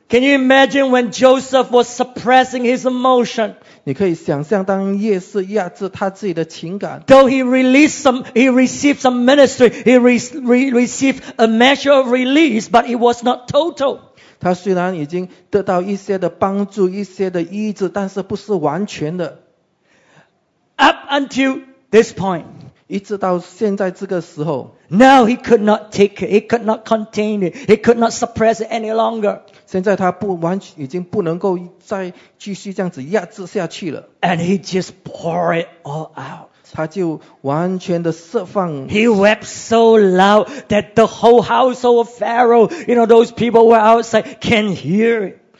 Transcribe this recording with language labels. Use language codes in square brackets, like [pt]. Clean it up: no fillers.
[en] Can you imagine when Joseph was suppressing his emotion? [zh] 你可以想象，当约瑟压制他自己的情感。 [en] Though he released some, he received some ministry, he received a measure of release, but it was not total. [zh] 他虽然已经得到一些的帮助，一些的医治，但是不是完全的。 [en] Up until this point. [zh] 一直到现在这个时候, [en] now he could not take it, he could not contain it, he could not suppress it any longer. [zh] 现在他已经不能够再继续这样子压制下去了。 [en] And he just poured it all out. [zh] 他就完全的释放。 [en] He wept so loud that the whole household of Pharaoh, you know, those people who are outside, can hear it.